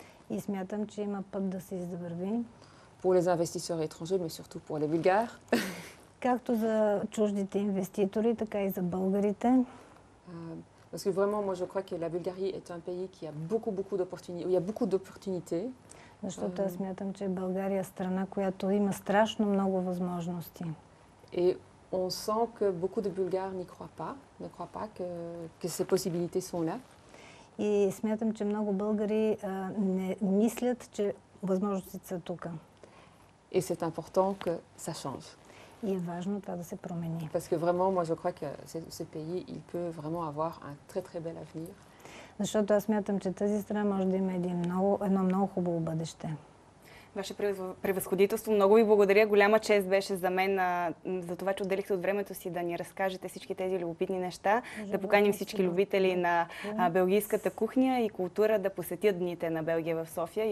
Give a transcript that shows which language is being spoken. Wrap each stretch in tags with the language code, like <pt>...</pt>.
<bg>И смятам, че има път да се издърви.</bg> <fr>Pour les investisseurs étrangers, mais surtout pour les Bulgares.</fr> <bg>Както за чуждите инвеститори, така и за българите.</bg> <fr>Parce que vraiment, moi je crois que la Bulgarie est un pays qui a beaucoup, beaucoup d'opportunités. Il y a beaucoup d'opportunités.</fr> <bg>Защото аз смятам, че България е страна, която има страшно много възможности.</bg> <fr>Et on sent que beaucoup de Bulgares n'y croient pas, ne croient pas que ces possibilités sont là.</fr> <bg>И смятам, че много българи не мислят, че възможностите са тук.</bg> <fr>Et c'est important que ça change.</fr> <bg>И е важно това да се промени.</bg> <fr>Parce que vraiment, moi je crois que ce pays, il peut vraiment avoir un très très bel avenir.</fr> <bg>Защото аз смятам, че тази страна може да има едно много хубаво бъдеще. Ваше превъзходителство, много ви благодаря. Голяма чест беше за мен за това, че отделихте от времето си да ни разкажете всички тези любопитни неща, да поканим всички любители на белгийската кухня и култура да посетят дните на Белгия в София.</bg>